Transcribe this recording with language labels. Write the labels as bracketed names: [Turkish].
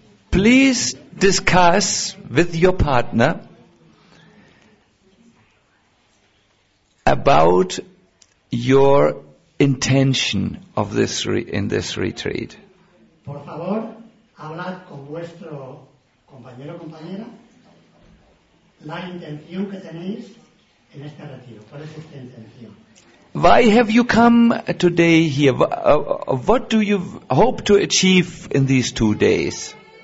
[English] Please discuss with your partner about your intention of this this retreat. [Spanish] Por favor, hablad con vuestro compañero o compañera la intención que tenéis en este retiro. ¿Cuál es vuestra intención? [English] Why have you come today here? What do you hope to achieve in these 2 days?